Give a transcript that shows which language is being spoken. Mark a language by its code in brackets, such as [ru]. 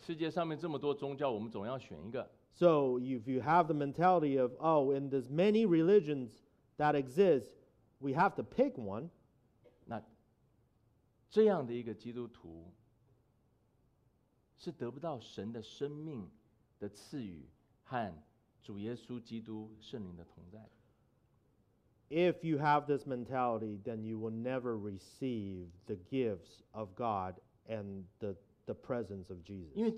[zh] 世界上面这么多宗教我们总要选一个, [en] so if you have the mentality of, oh, in this many religions that exist, we have to pick one, [zh] 那这样的一个基督徒是得不到神的生命 [en] If you have this mentality, then you will never receive the gifts of God and the presence of Jesus.